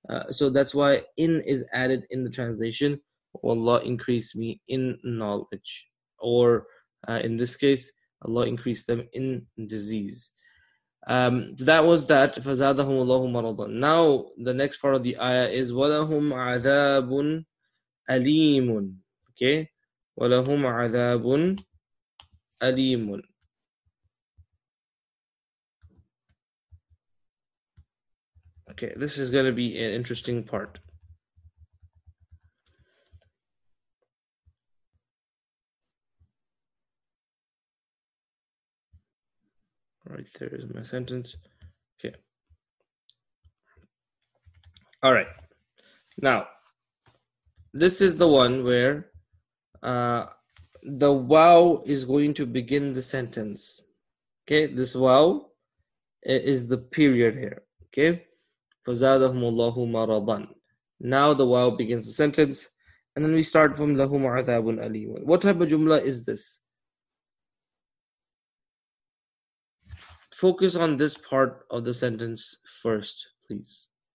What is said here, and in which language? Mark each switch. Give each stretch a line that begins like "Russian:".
English: So that's why in is added in the translation. Allah increase me in knowledge. Or in this case, Allah increase them in disease. That was that.
Arabic: فَزَادَهُمُ اللَّهُ مَرَضًا.
English: Now, the next part of the ayah is
Arabic: وَلَهُمْ عَذَابٌ أَلِيمٌ.
English: Okay,
Arabic: وَلَهُمْ عَذَابٌ أَلِيمٌ.
English: Okay, this is going to be an interesting part. Right, there is my sentence. Okay. All right. Now, this is the one where the wow is going to begin the sentence. Okay, this wow is the period here. Okay,
Arabic: فَزَادَهُمُ اللَّهُ مَرَضًا.
English: Now the wow begins the sentence, and then we start from
Arabic: لَهُمْ عَذَابٌ أَلِيمٌ.
English: What type of jumla is this? Focus on this part of the sentence first, please.